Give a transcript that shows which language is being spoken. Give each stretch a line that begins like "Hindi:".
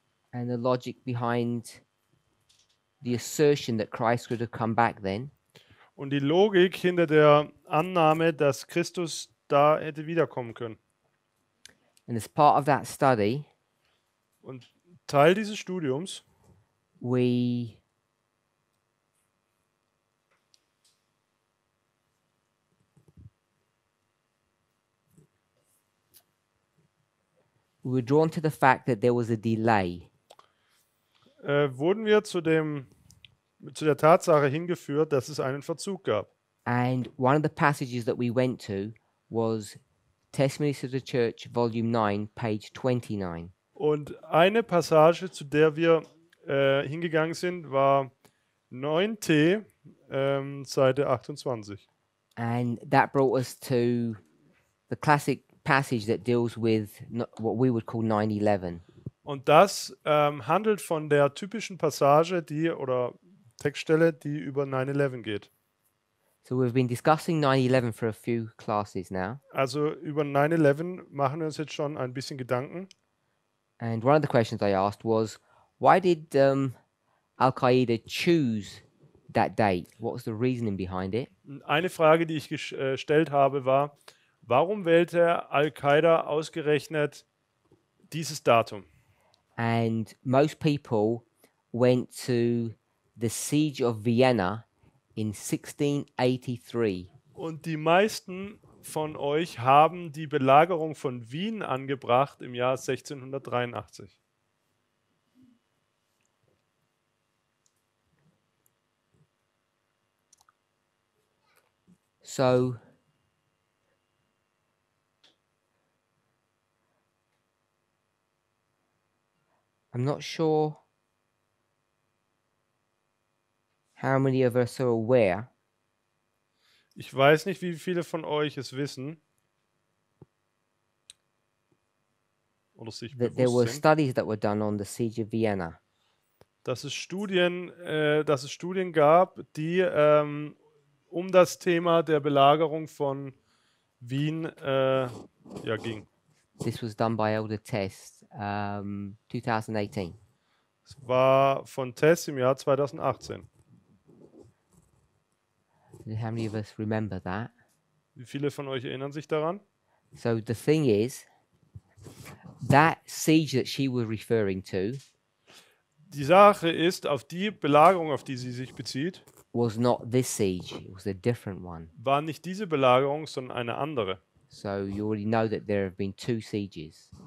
English: And the logic behind the assertion that Christ would have come back then.
German: Und die Logik hinter der Annahme, dass Christus da hätte wiederkommen können.
English: And as part of that study,
German: und Teil dieses Studiums,
English: we were drawn to the fact that there was a delay.
German: Wurden wir zu dem zu der Tatsache hingeführt, dass es einen Verzug gab.
English: And one of the passages that we went to was Testimonies to the Church, Volume 9, page 29.
German: Und eine Passage, zu der wir hingegangen sind, war 9t, Seite 28.
English: And that brought us to the classic passage that deals with what we would call 9-11.
German: Und das handelt von der typischen Passage, die oder Textstelle, die über 9-11 geht.
English: So we've been discussing 9-11 for a few classes now.
German: Also über 9-11 machen wir uns jetzt schon ein bisschen Gedanken.
English: And one of the questions I asked was, why did Al-Qaeda choose that date? What was the reasoning behind it?
German: Eine Frage, die ich gestellt habe, war, warum wählte Al-Qaeda ausgerechnet dieses Datum?
English: And most people went to the siege of Vienna in 1683.
German: Und die meisten von euch haben die Belagerung von Wien angebracht im Jahr 1683.
English: So I'm not sure how many of us are aware.
German: Ich weiß nicht, wie viele von euch es wissen. Oder sich
English: that there were studies that were done on the siege of Vienna.
German: Dass es Studien gab, die um das Thema der Belagerung von Wien ja ging.
English: This was done by Elder Test. 2018.
German: Es war von Tess im Jahr 2018.
English: How many of us remember that?
German: Wie viele von euch erinnern sich daran?
English: So the thing is, that siege that she was referring to,
German: die Sache ist, auf die Belagerung, auf die sie sich bezieht,
English: was not this siege, it was a different one.
German: War nicht diese Belagerung, sondern eine andere.
English: So you already know that there have been two sieges.